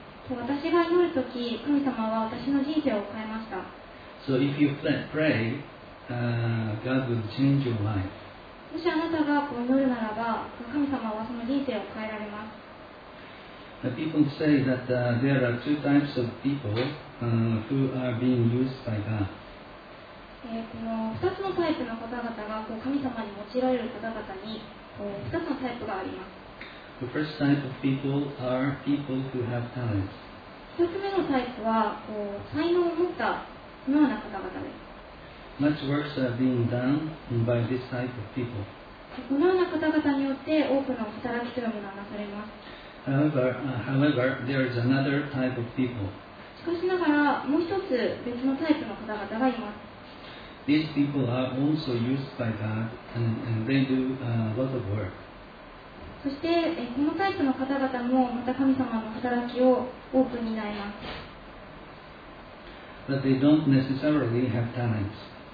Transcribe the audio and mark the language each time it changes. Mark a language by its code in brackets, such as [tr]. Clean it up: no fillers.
[ja] 私が祈るとき神様は私の人生を変えました。 [en] So if you pray, God will change your life [ja] もしあなたがこう祈るならば、神様はその人生を変えられます。 [en] People say that there are two types of people who are being used by God. [ja] この2つのタイプの方々がこう神様に用いられる方々にこう2つのタイプがあります。 [en] The first type of people are people who have talents. [ja] 1つ目のタイプはこう才能を持ったこのような方々です。 [en] Much works are being done by this type of people. [ja] このような方々によって多くの働きというものがなされます。 [en] However, there is another type of people. [ja] しかしながらもう一つ別のタイプの方々がいます。 [en] These people are also used by God and they do a lot of work. [ja] そしてこのタイプの方々もまた神様の働きを多く担います。 [en] But they don't necessarily have talents.